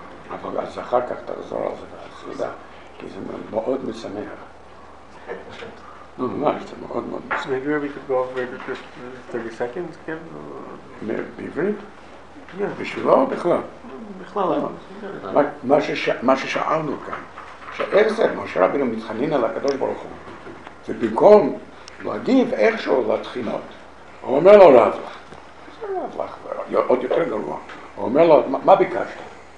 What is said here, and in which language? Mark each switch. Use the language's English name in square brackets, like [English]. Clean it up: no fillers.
[Hebrew] אבל אז אחר כך תחזור על זה בסעודה, כי זה מאוד משמח. נו, ממש, זה מאוד מאוד משמח. [English] Maybe we could go over it just 30 seconds, [Hebrew] כן? בעברית? בשבילו או בכלל? בכלל, לא. מה ששאלנו כאן, שאיך זה, משה רבינו מתחנין על הקדוש ברוך הוא, ובמקום להגיב איכשהו לתחינות, הוא אומר לו רב לך, עוד יותר גרוע, הוא אומר לו, מה ביקשת?